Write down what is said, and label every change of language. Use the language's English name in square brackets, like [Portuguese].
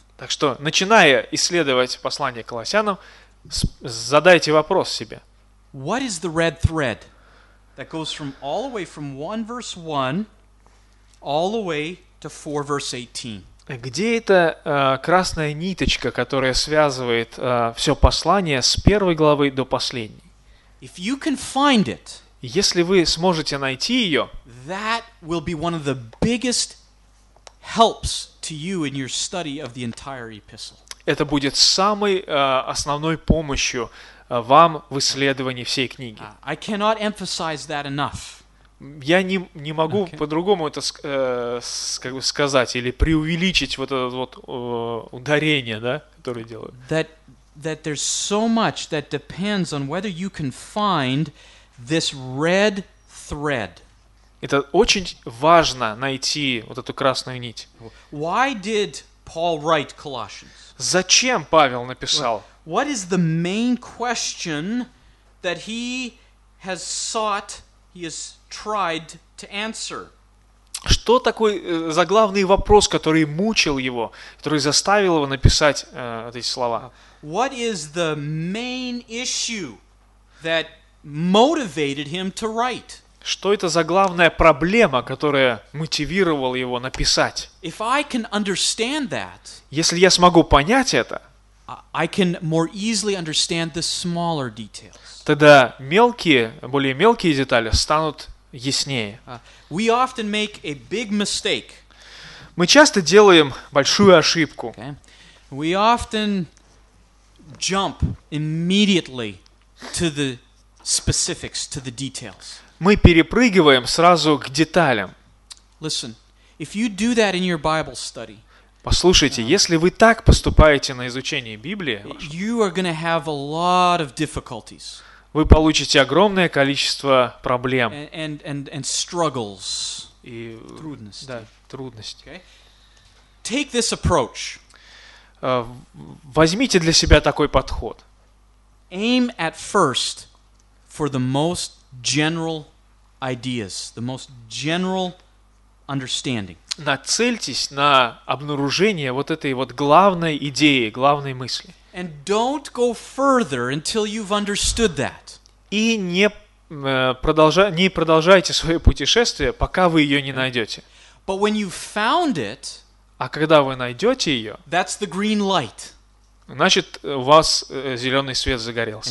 [Russian] Так что, начиная исследовать послание Колоссянам, задайте вопрос себе. [English] What is the red thread that goes from all the way from 1 verse 1 all the way to 4 verse 18? [Russian] Где эта красная ниточка, которая связывает все послание с первой главы до последней? [English] If you can find it, [Russian] Если вы сможете найти ее, [English] that will be one of the biggest helps to you in your study of the entire epistle. [Russian] Это будет самой основной помощью вам в исследовании всей книги. [English] I cannot emphasize that enough. [Russian] Я не могу по-другому это как бы сказать или преувеличить вот это вот ударение, да, которое делаю. [English] That there's so much that depends on whether you can find this red thread. [Russian] Это очень важно найти вот эту красную нить. [English] Why did Paul write Colossians? [Russian] Зачем Павел написал? [English] What is the main question that he has sought, he has tried to answer? [Russian] Что такой заглавный вопрос, который мучил его, который заставил его написать эти слова? [English] What is the main issue that motivated him to write? [Russian] Что это за главная проблема, которая мотивировала его написать? [English] If I can understand that, [Russian] если я смогу понять это, [English] I can more easily understand the smaller details. [Russian] Тогда мелкие, более мелкие детали станут яснее. [English] We often make a big mistake. [Russian] Мы часто делаем большую ошибку. [English] Okay. We often jump immediately to the specifics, to the details. [Russian] Мы перепрыгиваем сразу к деталям. [English] Listen, if you do that in your Bible study, [Russian] послушайте, если вы так поступаете на изучение Библии, вашей, [English] you are going to have a lot of difficulties. [Russian] Вы получите огромное количество проблем [English] and struggles, [Russian] и трудностей. Да, трудностей. [English] Okay. Take this approach. [Russian] Возьмите для себя такой подход. [English] Aim at first for the most general ideas, the most general understanding. [Russian] Нацельтесь на обнаружение вот этой вот главной идеи, главной мысли. [English] And don't go further until you've understood that. [Russian] И не продолжайте свое путешествие, пока вы ее не найдете. [English] But when you found it, [Russian] а когда вы найдете ее, [English] that's the green light. [Russian] Значит, у вас зеленый свет загорелся.